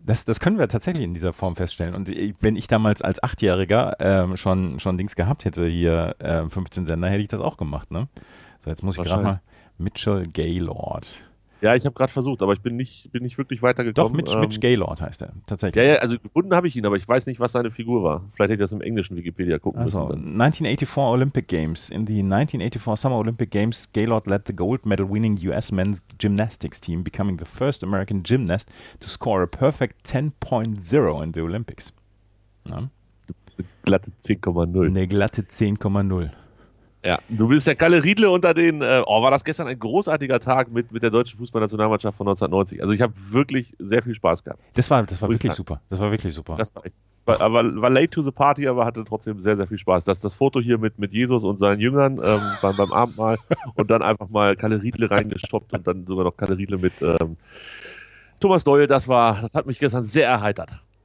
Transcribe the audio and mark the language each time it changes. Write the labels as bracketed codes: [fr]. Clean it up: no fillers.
[de] Das können wir tatsächlich in dieser Form feststellen. Und wenn ich damals als Achtjähriger schon Dings gehabt hätte, hier 15 Sender, hätte ich das auch gemacht, ne? So, jetzt muss ich gerade mal. Mitchell Gaylord. Ja, ich habe gerade versucht, aber ich bin nicht wirklich weitergekommen. Doch, Mitch Gaylord heißt er, tatsächlich. Ja, also gefunden habe ich ihn, aber ich weiß nicht, was seine Figur war. Vielleicht hätte ich das im englischen Wikipedia gucken also, müssen. Also, 1984 Olympic Games. [en] In the 1984 Summer Olympic Games, Gaylord led the gold medal winning US men's gymnastics team, becoming the first American gymnast to score a perfect 10.0 in the Olympics. [de] Na? Glatte 10,0. Eine glatte 10,0. Ja, du bist der Kalle Riedle unter den, war das gestern ein großartiger Tag mit der deutschen Fußballnationalmannschaft von 1990. Also ich habe wirklich sehr viel Spaß gehabt. Das war wirklich super. Aber war [en] late to the party, [de] aber hatte trotzdem sehr, sehr viel Spaß. Das Foto hier mit Jesus und seinen Jüngern beim Abendmahl und dann einfach mal Kalle Riedle reingeschoppt und dann sogar noch Kalle Riedle mit Thomas Doyle, das hat mich gestern sehr erheitert.